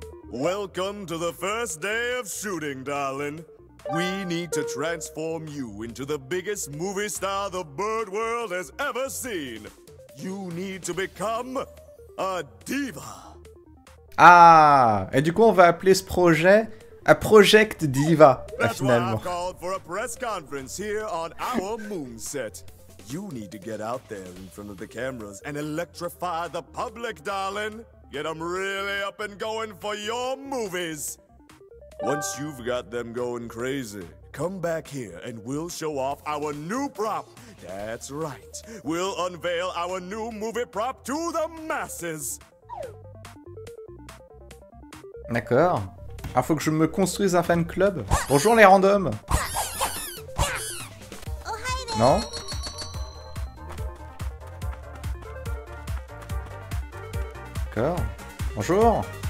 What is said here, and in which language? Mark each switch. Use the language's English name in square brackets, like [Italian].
[English] Welcome to the first day of shooting, darling. We need to transform you into the biggest movie star the bird world has ever seen. You need to become a diva. [French] Ah, et du coup on va appeler ce projet un Project Diva, [English] that's [French] finalement. [English] That's why I called for a press conference here on our moonset. You need to get out there in front of the cameras and electrify the public, darling. Get them really up and going for your movies. Once you've got them going crazy, come back here and we'll show off our new prop. That's right. We'll unveil our new movie prop to the masses. [French] D'accord. Ah, faut que je me construise un fan club. Bonjour les randoms. Non? D'accord. Bonjour.